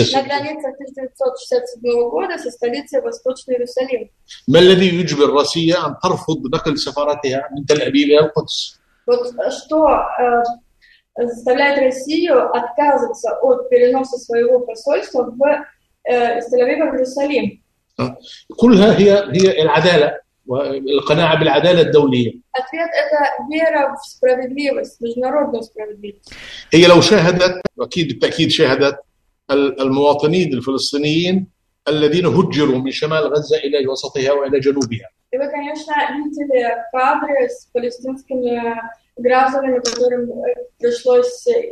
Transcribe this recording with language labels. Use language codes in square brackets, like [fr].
[ru] 1967 года со столицей Восточный Иерусалим. [ar] ما الذي يجبر روسيا أن ترفض نقل سفارتها من تل أبيب إلى القدس؟ [ru] Вот что заставляет Россию отказываться от переноса своего посольства в Тель-Авив в Иерусалим? [ar] كلها هي العدالة والقناعة بالعدالة الدولية. [ru] Ответ – это вера в справедливость, международную справедливость. [ar] هي لو شاهدت، أكيد بالتأكيد شاهدت. المواطنين الفلسطينيين الذين هجروا من شمال غزة إلى وسطها وإلى جنوبها. إذا كان يشاهد كادر فلسطيني [ru] гражданами, которым пришлось...